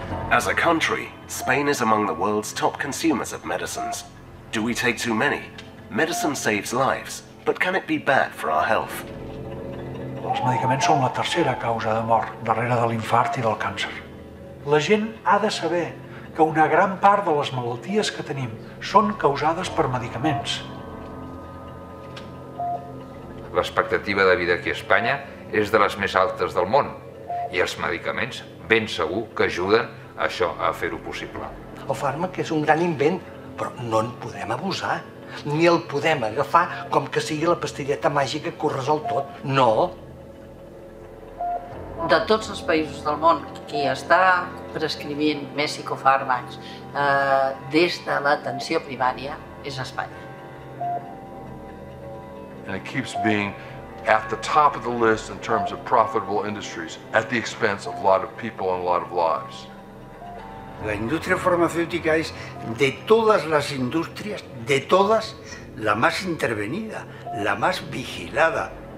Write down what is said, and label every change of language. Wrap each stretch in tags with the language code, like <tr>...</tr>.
<en>As a country, Spain is among the world's top consumers of medicines. Do we take too many? Medicine saves lives. But can it be bad for our health?</en> <ca>Els medicaments són la tercera causa de mort darrere de l'infart i del càncer. La gent ha de saber que una gran part de les malalties que tenim són causades per medicaments. L'expectativa de vida aquí a Espanya és de les més altes del món i els medicaments ben segur que ajuden això a fer-ho possible. El fàrmac és un gran invent, però no en podem abusar. Ni el podem agafar com que sigui la pastilleta màgica que ho resol tot. No! De tots els països del món, qui està prescrivint més psicofàrmacs des de l'atenció primària és Espanya.</ca> <en>And it keeps being at the top of the list in terms of profitable industries at the expense of a lot of people and a lot of lives.</en> <es>La industria farmacéutica es de todas las industrias, de todas, la más intervenida, la más vigilada.</es>